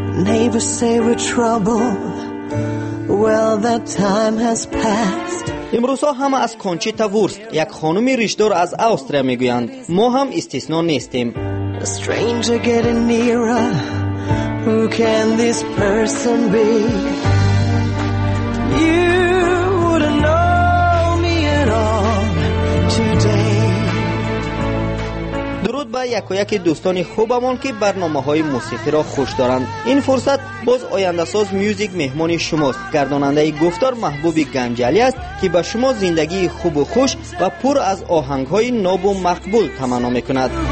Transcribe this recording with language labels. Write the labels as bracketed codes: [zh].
[en] Neighbors say we're trouble. Well, that time has passed. [fa] امروزا همه از کانچیتا وورست، یک خانم ریشدار از آستریا میگویند. ما هم استثنا نیستیم. [en] A stranger getting nearer. Who can this person be? You wouldn't know me at all today. [fa] درود به یک و یک دوستان خوبمان که برنامه های موسیقی را خوش دارند. این فرصت باز آینده ساز میوزیک مهمان شماست. گرداننده گفتار محبوب گنجعلی است که به شما زندگی خوب و خوش و پر از آهنگ های ناب و مقبول تمنا میکند.